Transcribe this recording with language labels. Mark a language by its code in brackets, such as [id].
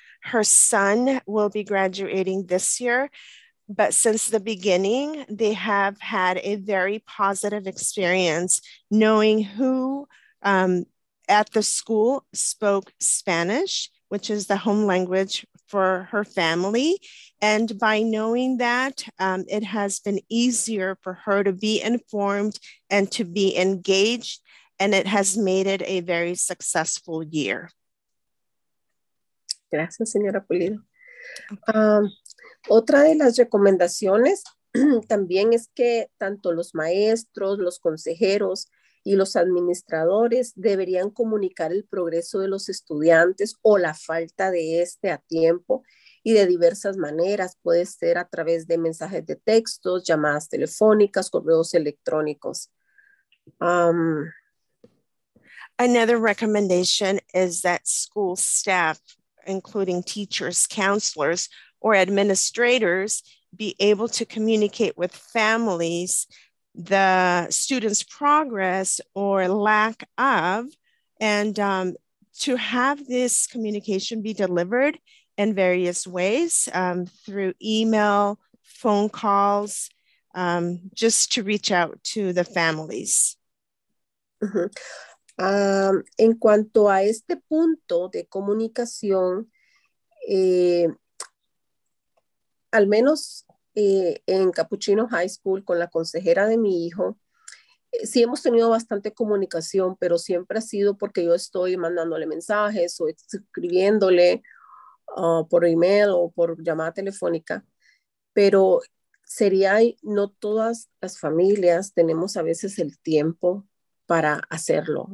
[en] Her son will be graduating this year, but since the beginning, they have had a very positive experience knowing who at the school spoke Spanish, which is the home language for her family. And by knowing that, it has been easier for her to be informed and to be engaged, and it has made it a very successful year. [es] Gracias, señora Pulido. Otra de las recomendaciones también es que tanto los maestros, los consejeros y los administradores deberían comunicar el progreso de los estudiantes o la falta de este a tiempo y de diversas maneras. Puede ser a través de mensajes de textos, llamadas telefónicas, correos electrónicos. [en] Another recommendation is that school staff, including teachers, counselors, or administrators, be able to communicate with families the students' progress or lack of, and to have this communication be delivered in various ways, through email, phone calls, just to reach out to the families. Mm-hmm. [es] En cuanto a este punto de comunicación, al menos en Capuchino High School con la consejera de mi hijo, sí hemos tenido bastante comunicación, pero siempre ha sido porque yo estoy mandándole mensajes o escribiéndole por email o por llamada telefónica, pero sería, no todas las familias tenemos a veces el tiempo para hacerlo.